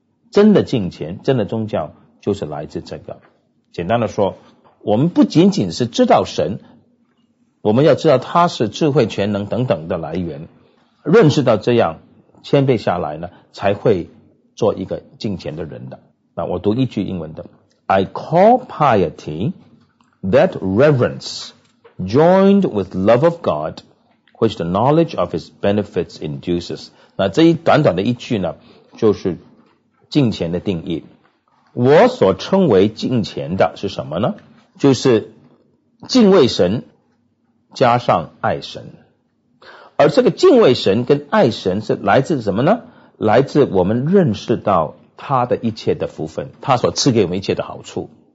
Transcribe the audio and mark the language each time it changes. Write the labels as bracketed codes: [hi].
[zh] 真的敬虔，真的宗教就是来自这个。简单的说，我们不仅仅是知道神，我们要知道他是智慧全能等等的来源，认识到这样谦卑下来呢，才会做一个敬虔的人的。那我读一句英文的， [en] I call piety that reverence joined with love of God which the knowledge of his benefits induces。 [zh] 那这一短短的一句呢，就是敬虔的定义。我所称为敬虔的是什么呢？就是敬畏神加上爱神。而这个敬畏神跟爱神是来自什么呢？来自我们认识到他的一切的福分，他所赐给我们一切的好处。